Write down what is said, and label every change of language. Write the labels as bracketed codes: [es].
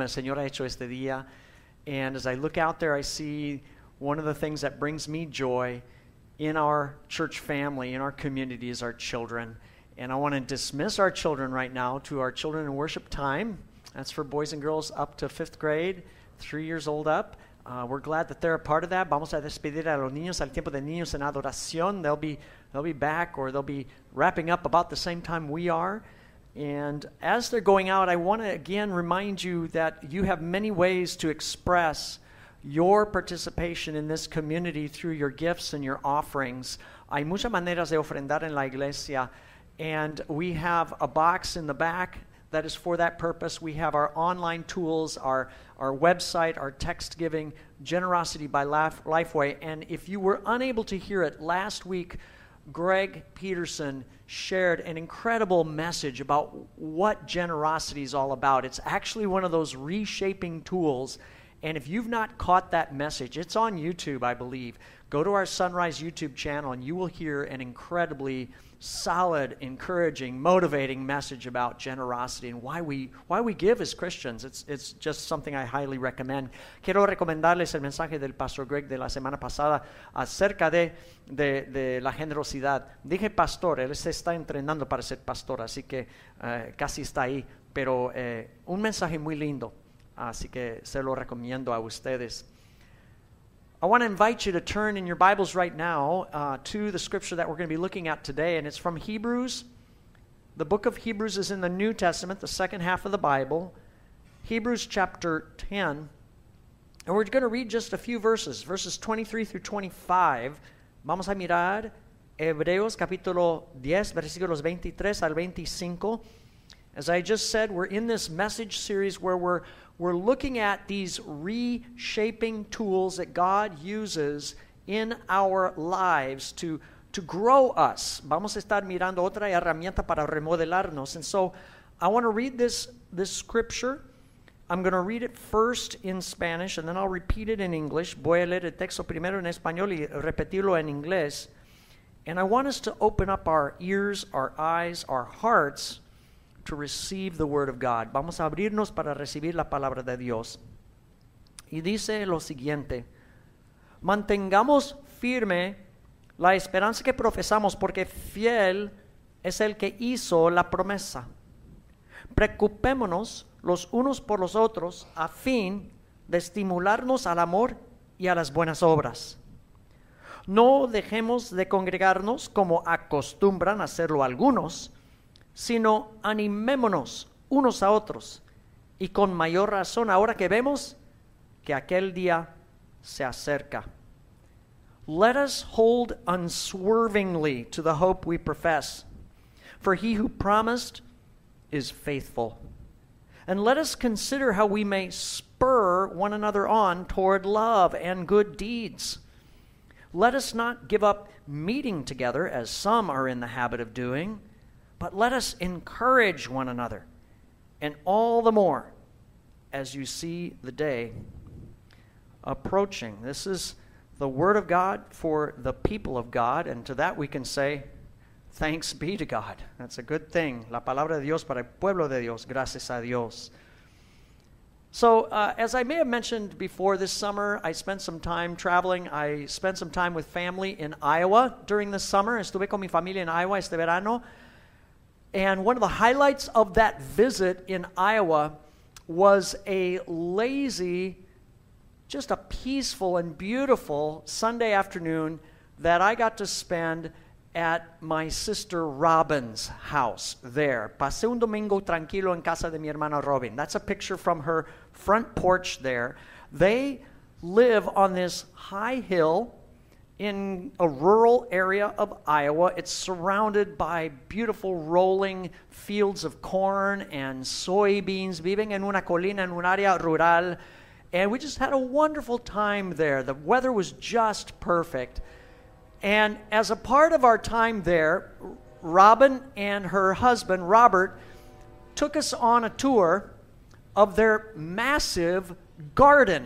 [es] El Señor ha hecho este día. [en] And as I look out there, I see one of the things that brings me joy in our church family, in our community, is our children. And I want to dismiss our children right now to our children in worship time. That's for boys and girls up to fifth grade, 3 years old up. We're glad that they're a part of that. [es] Vamos a despedir a los niños al tiempo de niños en adoración. [en] They'll be back, or they'll be wrapping up about the same time we are. And as they're going out, I want to again remind you that you have many ways to express your participation in this community through your gifts and your offerings. [es] Hay muchas maneras de ofrendar en la iglesia. [en] And we have a box in the back that is for that purpose. We have our online tools, our website, our text giving, Generosity by Lifeway. And if you were unable to hear it last week, Greg Peterson shared an incredible message about what generosity is all about. It's actually one of those reshaping tools. And if you've not caught that message, it's on YouTube, I believe. Go to our Sunrise YouTube channel and you will hear an incredibly solid, encouraging, motivating message about generosity and why we give as Christians. It's just something I highly recommend. [es] Quiero recomendarles el mensaje del Pastor Greg de la semana pasada acerca de la generosidad. Dije pastor, él se está entrenando para ser pastor, así que casi está ahí. Pero un mensaje muy lindo, así que se lo recomiendo a ustedes. [en] I want to invite you to turn in your Bibles right now to the scripture that we're going to be looking at today, and it's from Hebrews. The book of Hebrews is in the New Testament, the second half of the Bible, Hebrews chapter 10, and we're going to read just a few verses, verses 23 through 25. [es] Vamos a mirar Hebreos capítulo 10, versículos 23 al 25. [en] As I just said, we're in this message series where we're looking at these reshaping tools that God uses in our lives to grow us. [es] Vamos a estar mirando otra herramienta para remodelarnos. [en] And so I want to read this scripture. I'm going to read it first in Spanish, and then I'll repeat it in English. [es] Voy a leer el texto primero en español y repetirlo en inglés. [en] And I want us to open up our ears, our eyes, our hearts to receive the word of God. [es] Vamos a abrirnos para recibir la palabra de Dios. Y dice lo siguiente: mantengamos firme la esperanza que profesamos, porque fiel es el que hizo la promesa. Preocupémonos los unos por los otros a fin de estimularnos al amor y a las buenas obras. No dejemos de congregarnos como acostumbran a hacerlo algunos, sino animémonos unos a otros, y con mayor razón ahora que vemos que aquel día se acerca. [en] Let us hold unswervingly to the hope we profess, for he who promised is faithful. And let us consider how we may spur one another on toward love and good deeds. Let us not give up meeting together, as some are in the habit of doing, but let us encourage one another, and all the more as you see the day approaching. This is the word of God for the people of God, and to that we can say, thanks be to God. That's a good thing. [es] La palabra de Dios para el pueblo de Dios. Gracias a Dios. [en] So, as I may have mentioned before, this summer I spent some time traveling. I spent some time with family in Iowa during the summer. [es] Estuve con mi familia en Iowa este verano. [en] And one of the highlights of that visit in Iowa was a lazy, just a peaceful and beautiful Sunday afternoon that I got to spend at my sister Robin's house there. [es] Pasé un domingo tranquilo en casa de mi hermana Robin. [en] That's a picture from her front porch there. They live on this high hill in a rural area of Iowa. It's surrounded by beautiful rolling fields of corn and soybeans. [es] Viven en una colina, en un área rural. [en] And we just had a wonderful time there. The weather was just perfect. And as a part of our time there, Robin and her husband, Robert, took us on a tour of their massive garden.